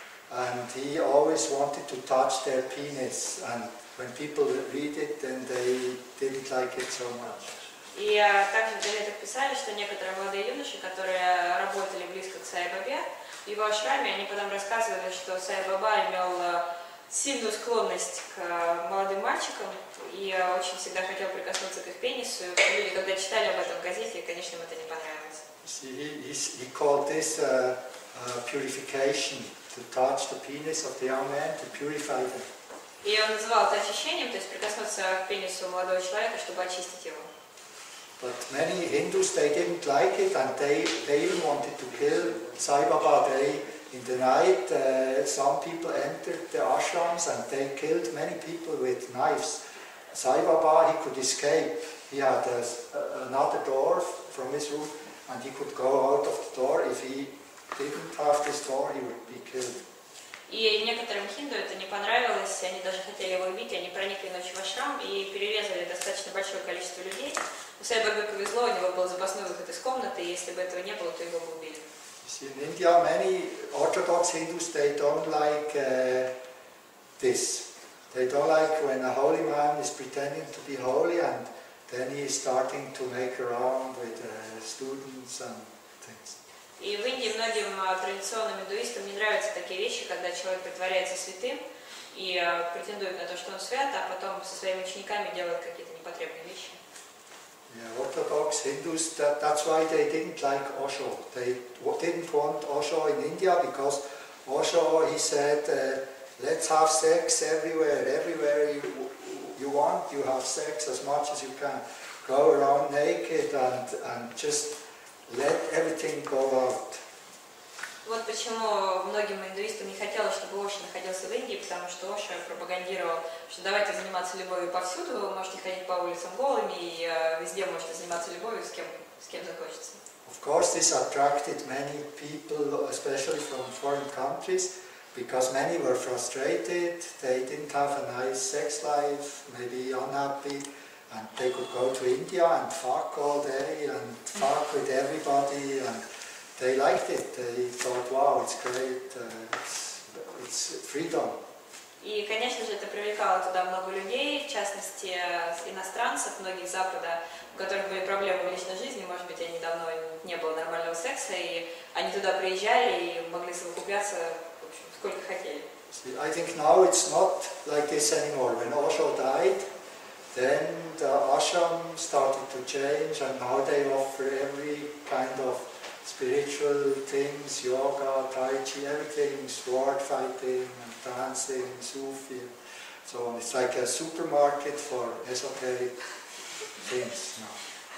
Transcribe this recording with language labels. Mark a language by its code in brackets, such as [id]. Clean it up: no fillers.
[en] And he always wanted to touch their penis, and when people read it, then they didn't like it so much. [ru] И также в газетах писали, что некоторые молодые юноши, которые работали близко к Сай Бабе, в его ашраме, они потом рассказывали, что Сай Баба имел сильную склонность к молодым мальчикам и очень всегда хотел прикоснуться к их пенису. Люди, когда читали об этом в газете, конечно, им это не понравилось. [en] He called this purification. To touch the penis of the young man to purify them. [ru] И он называл это очищением, то есть прикоснуться к пенису молодого человека, чтобы очистить его. [en] But many Hindus they didn't like it, and they even wanted to kill Sai Baba. They in the night some people entered the ashrams and they killed many people with knives. Sai Baba he could escape. He had another door from his room, and he could go out of the door if he. Didn't have this door, he would be killed. [ru] И некоторым хинду это не понравилось, они даже хотели его убить, они проникли ночью в ашрам и перерезали достаточно большое количество людей. У Сай Бабы повезло, у него был запасной выход из комнаты, и если бы этого не было, то его бы убили. [en] See, in India, many orthodox Hindus, they don't like this. They don't like when a holy man is pretending to be holy, and then he is starting to make around with students and things. [ru] И в Индии многим традиционным индуистам не нравятся такие вещи, когда человек притворяется святым и претендует на то, что он свят, а потом со своими учениками делает какие-то непотребные вещи. [en] Yeah, orthodox Hindus, that's why they didn't like Osho. They didn't want Osho in India, because Osho, he said, let's have sex everywhere you want, you have sex as much as you can. Go around naked and just... Let everything go out. [ru] Вот почему многим индуистам не хотелось, чтобы Оша находился в Индии, потому что Оша пропагандировал, что давайте заниматься любовью повсюду, вы можете ходить по улицам голыми, и везде можете заниматься любовью с кем захочется. [en] Of course, this attracted many people, especially from foreign countries, because many were frustrated, they didn't have a nice sex life, maybe unhappy. And they could go to India and fuck all day and fuck with everybody, and they liked it. They thought, wow, it's great, it's freedom. [ru] И, конечно же, это привлекало туда много людей, в частности иностранцев, многих Запада, у которых были проблемы в личной жизни, может быть, они давно не было нормального секса, и они туда приезжали и могли совокупляться, в общем, сколько хотели. [en] See, I think now it's not like this anymore. When Osho died, then the ashram started to change, and now they offer every kind of spiritual things, yoga, tai chi, everything, sword fighting, and dancing, Sufi, and so on. It's like a supermarket for esoteric things now.